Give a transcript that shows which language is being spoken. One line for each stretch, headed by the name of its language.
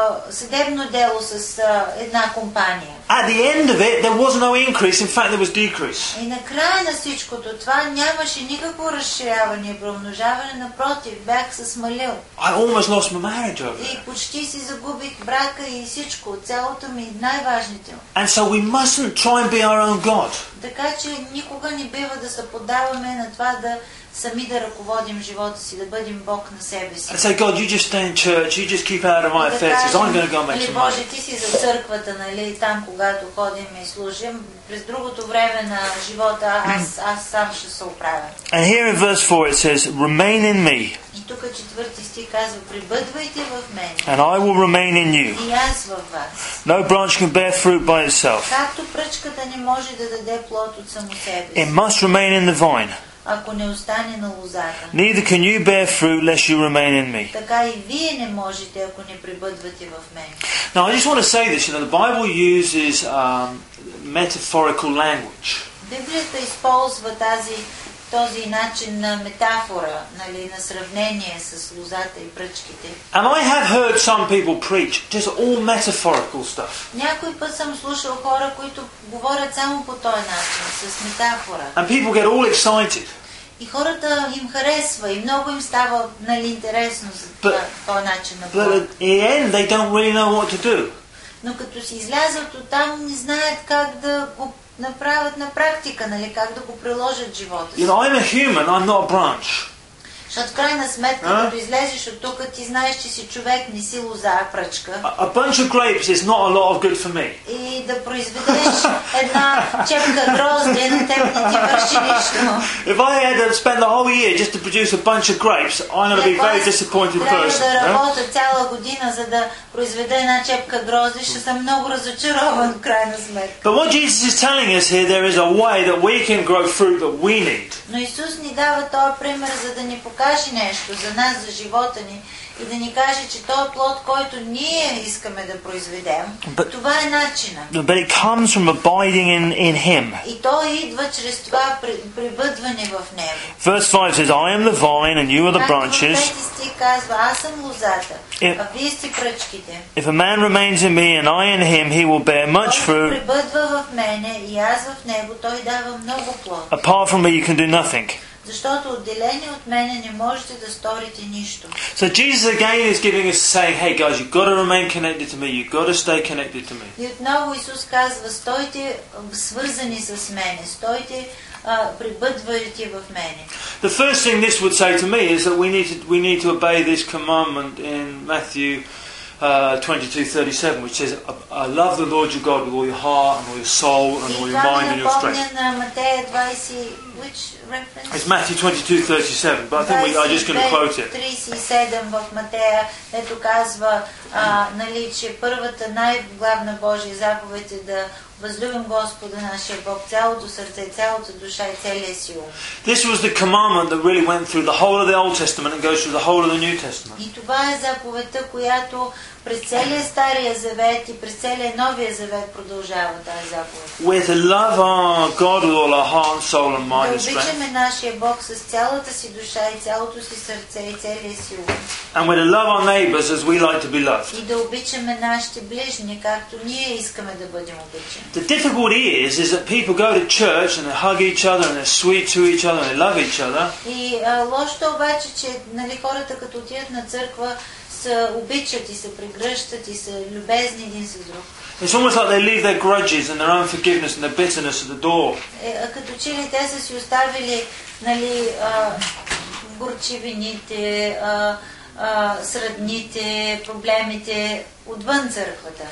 Bulgarian: Съдебно дело с една компания.
English: At the end of it, there was no increase. In fact, there was decrease.
Bulgarian: И на края на всичкото това нямаше никакво разширяване и промножаване. Напротив, бях се смалил.
English: I almost lost my marriage over.
Bulgarian: И почти си загубих брака и всичко, цялото ми, най-важните.
English: And so we mustn't try and be our own God.
Bulgarian: Така че никога не бива да се поддаваме на това да сами да ръководим живота си, да бъдем Бог на себе си.
English: Say, God, you just stay in church, you just keep out of my affairs, I'm going to go make some money.
Bulgarian: Ти си за църквата, нали, там когато ходим и служим, през другото време на живота аз сам ще се оправя.
English: And here in verse 4 it says, remain in me.
Bulgarian: И тук четвърти стих казва, прибъдвайте в мен.
English: And I will remain in you.
Bulgarian: И аз във вас.
English: No branch can bear fruit by itself.
Bulgarian: Както пръчката не може да даде плод от само себе си.
English: It must remain in the vine.
Bulgarian: Ако не остане на лозата.
English: Neither can you bear fruit unless you remain in me.
Bulgarian: Така и вие не можете, ако не прибъдвате в мен.
English: Now I just want to say this, you know, the Bible uses metaphorical language.
Bulgarian: Библията използва този начин на метафора, нали, на сравнение с лозата и пръчките.
English: And I have heard some people preach just all metaphorical stuff.
Bulgarian: Някой път съм слушал хора, които говорят само по този начин, с метафора.
English: And people get all excited.
Bulgarian: И хората им харесва и много им става, нали, интересно за този начин на говорене.
English: But in the end, they don't really know what to do.
Bulgarian: Но като си излязат от там, не знаят как да го направят на практика, нали, как да го приложат в живота си.
English: You know, I'm a human, I'm not a branch.
Bulgarian: Защото крайна сметка, като излезеш от тук, ти знаеш, че си човек, не си лоза, а пръчка.
English: A bunch of grapes is not a lot of good for me.
Bulgarian: И да произведеш една чепка грозде, на теб не ти върши нищо.
English: If I had to spend the whole year just to produce a bunch of grapes, I'm going to be very disappointed person.
Bulgarian: Трябва да работя цяла година, за да произведа една чепка грозде, ще съм много разочарован, крайна сметка.
English: But what Jesus is telling us here, there is a way that we can grow fruit that we need.
Bulgarian: Но Исус ни дава този пример, за да ни покаже нещо за нас, за живота ни и да ни каже, че този плод, който ние искаме да произведем,
English: but,
Bulgarian: това е начина.
English: But it comes from abiding in him.
Bulgarian: И то идва чрез това прибъдване в него.
English: Verse 5 says, I am the vine and you are the branches.
Bulgarian: Пети стих казва, аз съм лозата, а вие сте пръчките.
English: If a man remains in me and I in him, he will bear much fruit.
Bulgarian: Който прибъдва в мене и аз в него, той дава много плод.
English: Apart from me, you can do nothing.
Bulgarian: Защото отделени от мене не можете да сторите нищо.
English: So Jesus again is giving us saying, hey guys, you've got to remain connected to me, you've got to stay connected to me.
Bulgarian: И отново Исус казва, стойте свързани с мене, стойте прибъдвайте в мене.
English: The first thing this would say to me is that we need to obey this commandment in Matthew 22:37, which says, I love the Lord your God with all your heart and all your soul and all your mind and your strength. Which reference? It's Matthew 22:37, but I think we are just going to quote it.
Bulgarian: 37 в Матея, ето казва, нали, че първата най-главна Божия заповед е да възлюбим Господа нашия Бог цялото сърце, цялата душа и целия си ум.
English: This was the commandment that really went through the whole of the Old Testament and goes through the whole of the New Testament.
Bulgarian: И това е заповедта, която през целия Стария Завет и през целия Новия Завет продължава тази заповед.
English: With love our God with all our heart, soul and mind and strength.
Bulgarian: Да обичаме нашия Бог с цялата си душа и цялото си сърце и целия си ум.
English: And we love our neighbors as we like to be loved.
Bulgarian: И да обичаме нашите ближни, както ние искаме да бъдем обичани.
English: The difficulty is that people go to church and they hug each other and they're sweet to each other and they love each other.
Bulgarian: И лошото обаче, че, нали, хората като отидат на църква, се обичат и се прегръщат и са любезни един с друг.
English: It's almost like they leave their grudges and their unforgiveness and their bitterness at the door.
Bulgarian: Като че ли те са си оставили, нали, горчивините, средните, проблемите отвън църквата.